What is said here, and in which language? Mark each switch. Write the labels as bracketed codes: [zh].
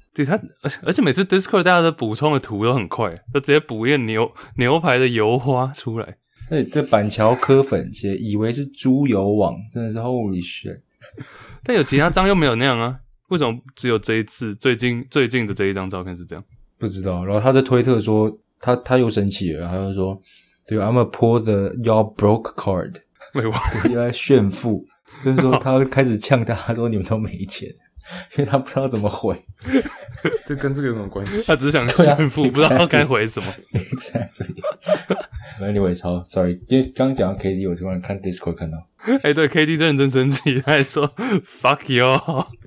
[zh] 对他，而且每次 Discord 大家的补充的图都很快，他直接补一个牛排的油花出来。对，这板桥科粉姐以为是猪油网，真的是 holy shit。但有其他章又没有那样啊。为什么只有这一次最近的这一张照片是这样？不知道。然后他在推特说他又生气了，他就说 Dude, I'm gonna pull the y'all broke card. 为什么？因为炫富。就是说他开始呛大家说你们都没钱。因为他不知道怎么回。这跟这个有什么关系？他只想炫富、啊、不知道该回什么。 [en] Exactly. Anyway, sorry. [zh] 因为刚讲到 KD, 我突然看 Discord 看到。欸对 ,KD 真认真生气，他还说 Fuck y'all.